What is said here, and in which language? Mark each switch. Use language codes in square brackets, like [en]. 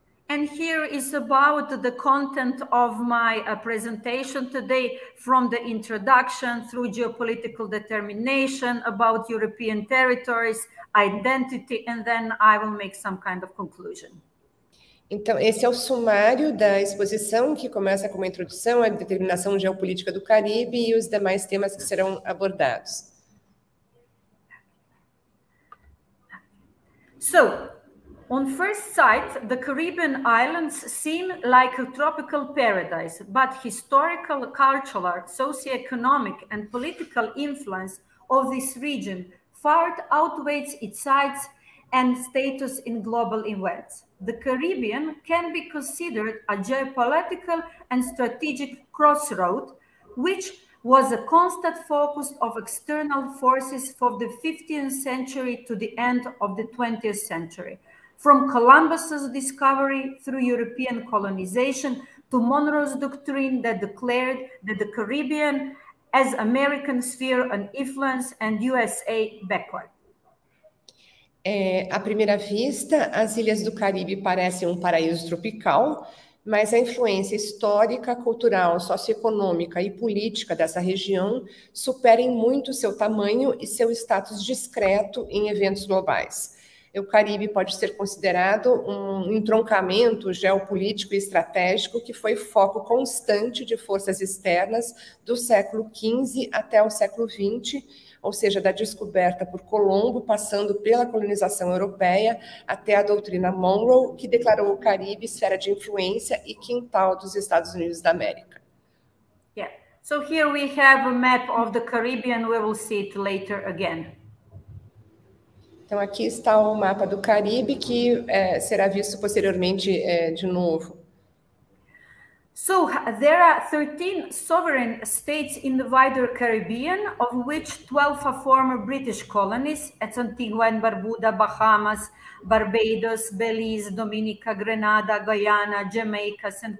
[en] And here is about the content of my presentation today, from the introduction through geopolitical determination about European territories, identity, and then I will make some kind of conclusion. [pt] Então, esse é o sumário da exposição, que começa com uma introdução à determinação geopolítica do Caribe e os demais temas que serão abordados. [en] So, on first sight, the Caribbean islands seem like a tropical paradise, but historical, cultural, socioeconomic, and political influence of this region far outweighs its size and status in global events. The Caribbean can be considered a geopolitical and strategic crossroad, which was a constant focus of external forces from the 15th century to the end of the 20th century. From Columbus's discovery through European colonization to Monroe's doctrine that declared that the Caribbean as American sphere and influence and USA backward. [pt] É, à primeira vista, as ilhas do Caribe parecem um paraíso tropical, mas a influência histórica, cultural, socioeconômica e política dessa região supera em muito seu tamanho e seu status discreto em eventos globais. O Caribe pode ser considerado um entroncamento geopolítico e estratégico que foi foco constante de forças externas do século XV até o século XX, ou seja, da descoberta por Colombo, passando pela colonização europeia até a doutrina Monroe, que declarou o Caribe esfera de influência e quintal dos Estados Unidos da América. [en] Yeah. So here we have a map of the Caribbean. We will see it later again. [pt] Então aqui está o mapa do Caribe que será visto posteriormente de novo. [en] So there are 13 sovereign states in the wider Caribbean, of which 12 are former British colonies: Antigua and Barbuda, Bahamas, Barbados, Belize, Dominica, Grenada, Guyana, Jamaica, St.